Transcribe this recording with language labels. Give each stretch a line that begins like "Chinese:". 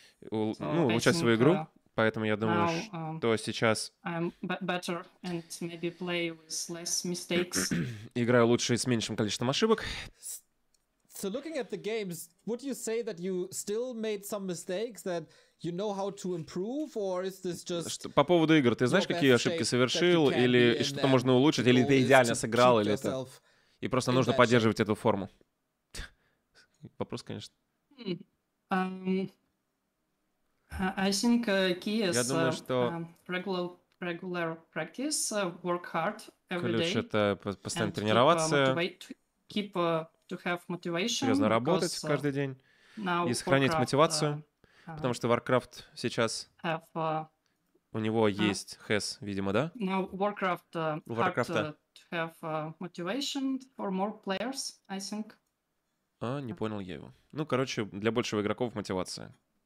Russian: ну, улучшать свою игру. Поэтому я думаю, что сейчас играю лучше и с меньшим количеством ошибок.
English: So looking at the games, would you say that you still made some mistakes that you know how to improve, or is this just
Russian: по поводу игр, ты знаешь, какие ошибки совершил, или что-то можно улучшить, или ты идеально сыграл, или это и просто нужно поддерживать эту форму? Вопрос, конечно.
English: I think key is regular practice, work hard every day.
Russian: Ключ — это постоянно тренироваться, серьезно работать каждый день и сохранять мотивацию, потому что Warcraft сейчас у него есть has, видимо, да?
English: Now Warcraft to have motivation for more players, I think.
Russian: А, не понял я его. Ну, короче, для большего игроков мотивация.